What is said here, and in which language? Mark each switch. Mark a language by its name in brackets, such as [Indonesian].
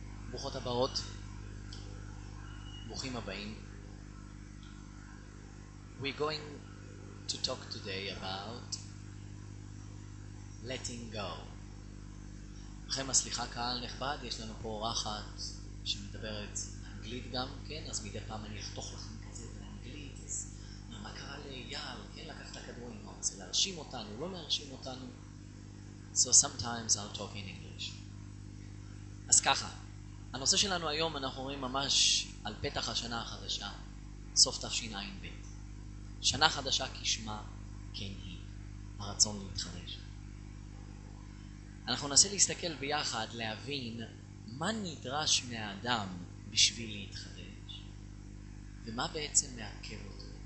[Hebrew] ברוכות הבאות, ברוכים הבאים. [English] We're going to talk today about letting go. [Hebrew] לכם הסליחה קהל נכבד, יש לנו פה אורחת שמדברת אנגלית גם, כן? אז מדי פעם אני אחתוך לכם כזה באנגלית, אז מה קרה לאייל? כן, לקחת הכדור עם האוצר, להרשים אותנו, לא להרשים אותנו. [English] So sometimes I'll talk in English. [Hebrew] אז ככה, הנושא שלנו היום אנחנו רואים ממש על פתח השנה החדשה, סוף תשע"ב. שנה חדשה כשמה כן היא, הרצון להתחדש. אנחנו ננסה להסתכל ביחד, להבין מה נדרש מהאדם בשביל להתחדש, ומה בעצם מעכב אותו.